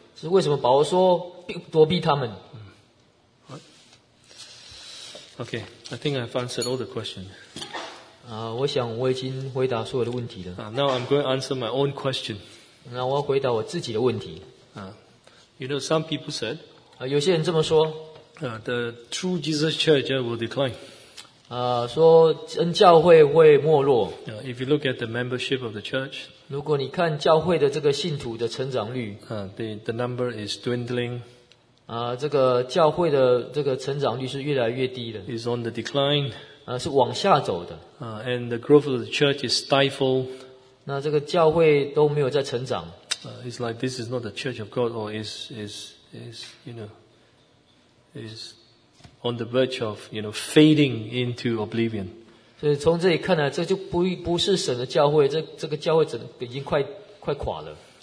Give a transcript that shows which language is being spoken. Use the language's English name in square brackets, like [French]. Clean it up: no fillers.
[Chinese] 是为什么保罗说躲避他们？ [English] Okay, I think I've answered all the questions. [Chinese] 我想我已经回答所有的问题了。 [English] Now I'm going to answer my own question. [Chinese] 那我要回答我自己的问题。 [English] You know, some people said, [Chinese] 有些人这么说。 [English] The true Jesus Church will decline. [Chinese] 说真教会会没落。 [English] If you look at the membership of the church, [Chinese] 如果你看教会的这个信徒的成长率， [English] the number is dwindling. [Chinese] 这个教会的这个成长率是越来越低的。 [English] Is on the decline. [Chinese] 是往下走的。 [English] And the growth of the church is stifled. [Chinese] 那这个教会都没有在成长。 [English] It's like this is not the church of God, or is you know. Is on the verge of, you know, fading into oblivion. [Chinese] 所以从这里看呢，这就不是神的教会，这个教会整已经快垮了。